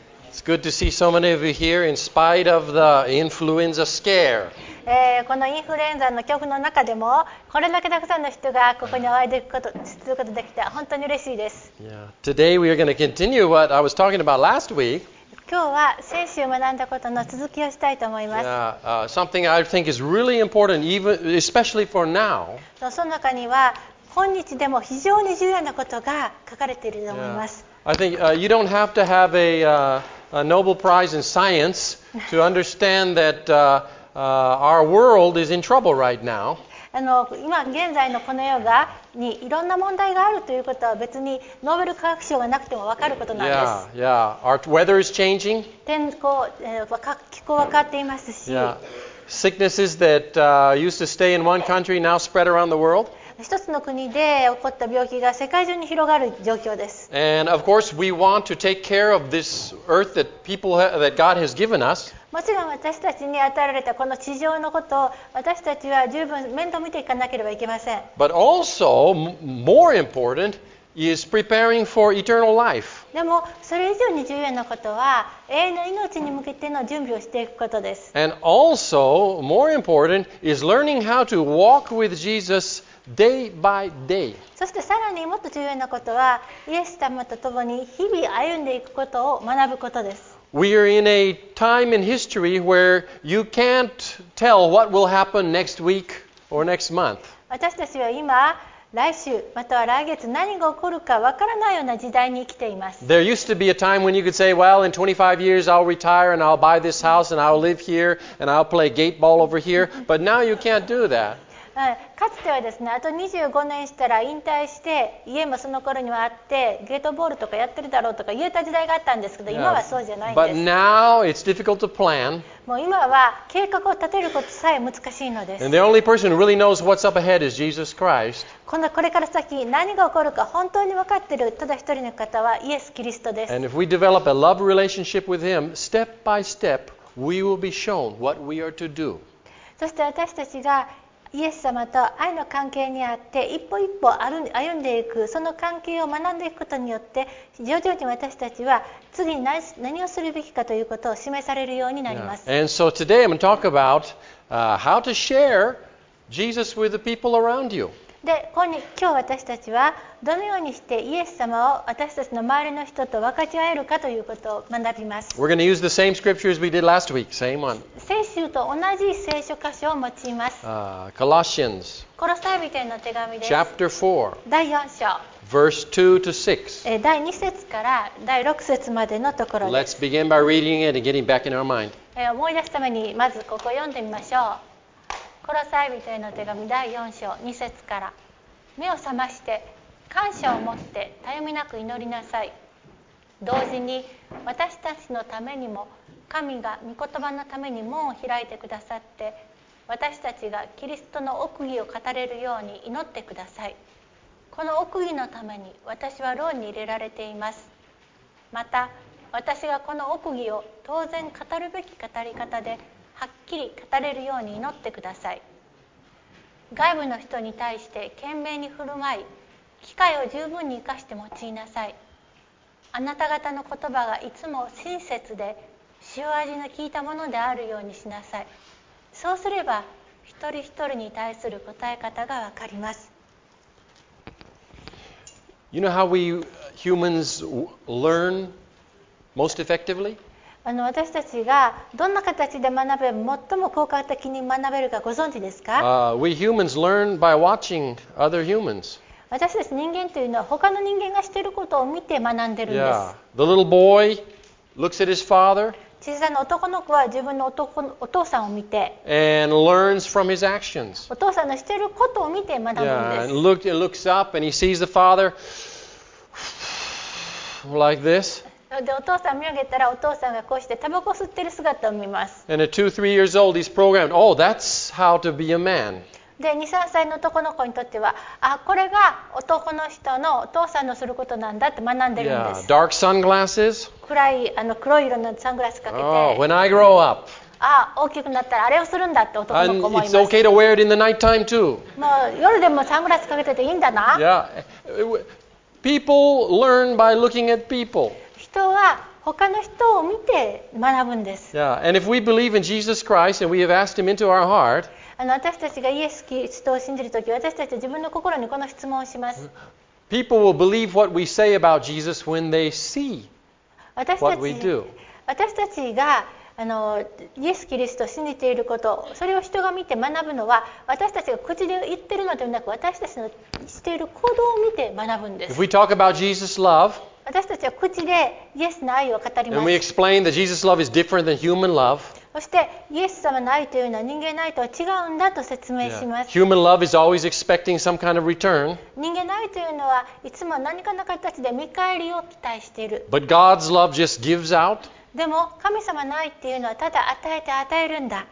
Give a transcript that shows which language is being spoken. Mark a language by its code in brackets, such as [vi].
[en] It's good to see so many of you here in spite of the influenza scare. [ja] このインフルエンザの恐怖の中でもこれだけたくさんの人がここにお会いできることすることができて本当に嬉しいです。 [en] Yeah. Today we are going to continue what I was talking about last week. [ja] 今日は先週学んだことの続きをしたいと思います。 [en] Something I think is really important, even especially for now. [ja] その中には今日でも非常に重要なことが書かれていると思います。 [en] Yeah. I think you don't have to have a Nobel Prize in science to understand that. Our world is in trouble right now. [ja] 今現在のこの世がにいろんな問題があるということは別にノーベル化学賞がなくても分かることなんです。 [en] Yeah, yeah. Our weather is changing. [ja] 天候、気候は変わっていますし。 [en] Yeah. Sicknesses that used to stay in one country now spread around the world. [ja] 一つの国で起こった病気が世界中に広がる状況です。 [en] And of course, we want to take care of this earth that people that God has given us. [ja] もちろん私たちに与えられたこの地上のことを私たちは十分面倒見ていかなければいけません。 [en] But also, more important is preparing for eternal life. [ja] でもそれ以上に重要なことは永遠の命に向けての準備をしていくことです。 [en] And also, more important is learning how to walk with Jesus day by day. [ja] そしてさらにもっと重要なことはイエス様と共に日々歩んでいくことを学ぶことです。 [en] We are in a time in history where you can't tell what will happen next week or next month. [ja] 私たちは今、来週または来月何が起こるかわからないような時代に生きています。 [en] There used to be a time when you could say, well, in 25 years I'll retire and I'll buy this house and I'll live here and I'll play gate ball over here. But now you can't do that. [ja] かつてはですね、あと25年したら引退して家もその頃にはあってゲートボールとかやってるだろうとか言えた時代があったんですけど、今はそうじゃないんです。 [en] But now it's difficult to plan. [ja] もう今は計画を立てることさえ難しいのです。 [en] And the only person who really knows what's up ahead is Jesus Christ. [ja] これから先何が起こるか本当に分かってるただ一人の方はイエス・キリストです。 [en] And if we develop a love relationship with Him, step by step, we will be shown what we are to do. [ja] そして私たちがイエス様と愛の関係にあって一歩一歩歩んでいくその関係を学んでいくことによって徐々に私たちは次に 何をするべきかということを示されるようになります。 [en] Yeah. And so today I'm going to talk about how to share Jesus with the people around you. [ja] で、今日私たちはどのようにしてイエス様を私たちの周りの人と分かち合えるかということを学びます。 [en] We're going to use the same scripture as we did last week, same one. [ja] 先週と同じ聖書箇所を用います。 [en] Colossians. [ja] コロサイ人への手紙です。 [en] Chapter 4. [ja] 第4章。 [en] Verse 2 to 6. [ja] 第2節から第6節までのところです。 [en] Let's begin by reading it and getting back in our mind. [ja] 思い出すためにまずここ読んでみましょう。コロサイ人への手紙第4章2節から、目を覚まして感謝を持ってたゆみなく祈りなさい。同時に私たちのためにも神が御言葉のために門を開いてくださって、私たちがキリストの奥義を語れるように祈ってください。この奥義のために私は牢に入れられています。また私がこの奥義を当然語るべき語り方ではっきり語れるように祈ってください。外部の人に対して賢明に振る舞い、機会を十分に生かして用いなさい。あなた方の言葉がいつも親切で塩味の効いたものであるようにしなさい。そうすれば一人一人に対する答え方がわかります。 [en] You know how we humans learn most effectively? [ja] 私たちがどんな形で学べ最も効果的に学べるかご存知ですか？ [en] We humans learn by watching other humans. [ja] 私たち人間というのは他の人間がしていることを見て学んでるんです。 [en] Yeah. The little boy looks at his father. [ja] 小さな男の子は自分のお父さんを見て、 [en] and learns from his actions. [ja] お父さんのしていることを見て学ぶんです。 [en] Yeah. And looks up and he sees the father like this. [ja] でお父さん見上げたらお父さんがこうしてタバコ吸ってる姿を見ます。 [en] And at 2-3 years old he's programmed, oh that's how to be a man. [ja] で 2-3 歳の男の子にとっては、あ、これが男の人のお父さんのすることなんだって学んでるんです。 [en] Yeah, dark sunglasses. [ja] 暗い黒色のサングラスかけて、 [en] Oh, when I grow up. [ja] あ、大きくなったらあれをするんだって男の子思います。 [en] And it's okay to wear it in the nighttime too. [ja] もう夜でもサングラスかけてていいんだな。 [en] Yeah. People learn by looking at people. [ja] 人は他の人を見て学ぶんです。 [en] Yeah, and if we believe in Jesus Christ and we have asked him into our heart, [ja] 私たちがイエス・キリストを信じるとき、私たちは自分の心にこの質問をします。 [en] People will believe what we say about Jesus when they see what we do. [ja] 私たちがイエス・キリストを信じていること、それを人が見て学ぶのは、私たちが口で言っているのではなく、私たちのしている行動を見て学ぶんです。 [en] If we talk about Jesus' love, [ja] 私たちは口でイエスの愛を語ります。 [en] And we explain that Jesus' love is different than human love. [ja] そして、イエス様の愛というのは人間の愛とは違うんだと説明します。 [en] Yeah. Human love is always expecting some kind of return. [ja] 人間の愛というのは、いつも何かの形で見返りを期待している。 [en] But God's love just gives out. [ja] でも神様の愛っていうのはただ与えて与えるんだ。